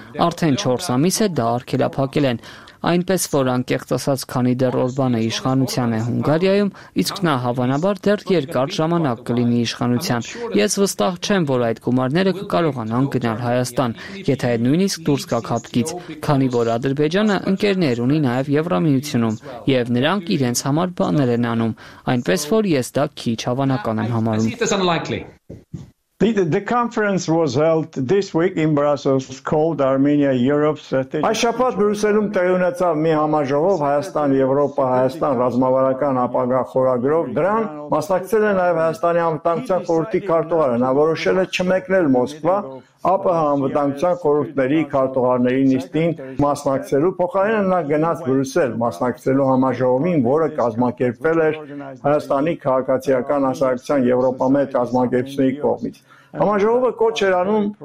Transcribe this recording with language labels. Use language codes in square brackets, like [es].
[hy] Արդեն 4 ամիս է դա արգելափակել են, այնպես որ անկեղծ ասած, քանի դեռ Օրբանը իշխանության է Հունգարիայում, իսկ նա հավանաբար դեռ երկար ժամանակ կլինի իշխանության, ես վստահ չեմ, որ այդ գումարները կկարողանան գնալ Հայաստան, եթե նույնիսկ դուրս գաք հատկից, քանի որ Ադրբեջանը ընկերներ ունի նաև Եվրամիությունում, և նրանք իրենց համար բաներ են անում, այնպես որ ես դա քիչ հավանական եմ համարում։ [en] The conference was held this week in Brussels called Armenia Europe Strategy. [hy] Այշապատ Բրյուսելում տեղի ունեցավ մի համաժողով Հայաստան-Եվրոպա, Հայաստան ռազմավարական ապագա խորագրով, դրան մասնակցել է նաև Հայաստանի անվտանգության խորհրդի քարտուղարը, նա որոշել է չմեկնել Մոսկվա ԱՊՀ անվտանգության խորհրդների քարտուղարների նիստին մասնակցելու, փոխարենը նա գնաց Բրյուսել մասնակցելու համաժողովին, որը կազմակերպվել էր Հայաստանի քաղաքացիական ասոցիացիան Եվրոպա-Մեծ ազմագերպությունների կողմից։ Համաժողովը կոչ էր անում